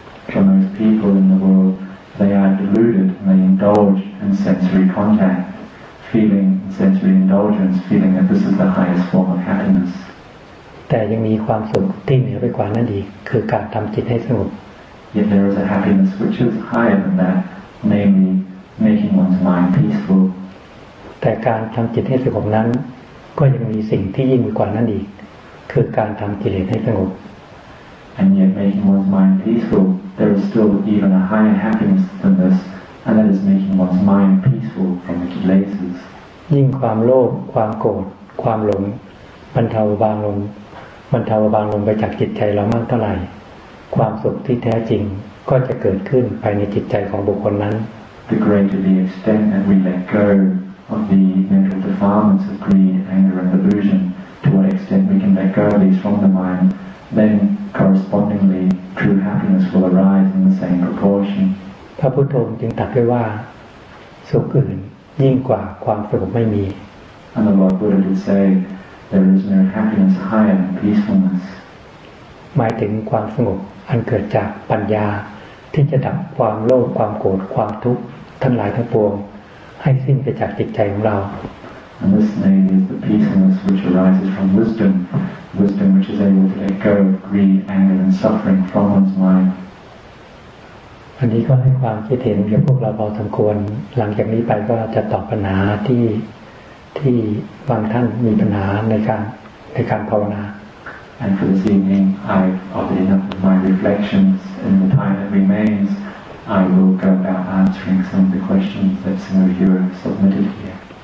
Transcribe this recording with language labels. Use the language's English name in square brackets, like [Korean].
[English] For most people in the world, they are deluded and they indulge in sensory contact, feeling sensory indulgence, feeling that this is the highest form of happiness. [Thai] แต่ยังมีความสุขที่เหนือไปกว่านั้นอีกคือการทำจิตให้สงบ [English] Yet there is a happiness which is higher than that, namely making one's mind peaceful [Thai] แต่การทำจิตให้สงบนั้นก็ยังมีสิ่งที่ยิ่งกว่านั้นอีกคือการทำกิเลสให้สงบ [English] And yet making one's mind peaceful, there is still even a higher happiness than this, and that is making one's mind peaceful from the kilesas. [Thai] ยิ่งความโลภความโกรธความหลงบรรเทาบางลงบรรเทาบางลงไปจากจิตใจเรามากเท่าไหร่ความสุขที่แท้จริงก็จะเกิดขึ้นภายในจิตใจของบุคคลนั้น [English] The greater the extent that we let goOf the mental defilements of greed, anger, and delusion, to what extent we can let go of these from the mind, then correspondingly true happiness will arise in the same proportion. [Thai] พระพุทธองค์จึงตรัสไว้ว่าสุขอื่นยิ่งกว่าความสงบไม่มี [English] And the Lord Buddha did say, there is no happiness higher than peacefulness. [Thai] หมายถึงความสงบอันเกิดจากปัญญาที่จะดับความโลภความโกรธความทุกข์ทั้งหลายทั้งปวงให้สิ้นไปจากจิตใจของเรา [English] And this name is the peacefulness which arises from wisdom, wisdom which is able to let go of greed, anger, and suffering from one's mind. [Thai] วันนี้ก็ให้ความคิดเห็นกับพวกเราพอสมควรหลังจากนี้ไปก็จะตอบปัญหาที่บางท่านมีปัญหาในการภาวนา [English] And for this evening, I've offered enough of my reflections in the time that remains. I will go about answering some of the questions that some of you have submitted here.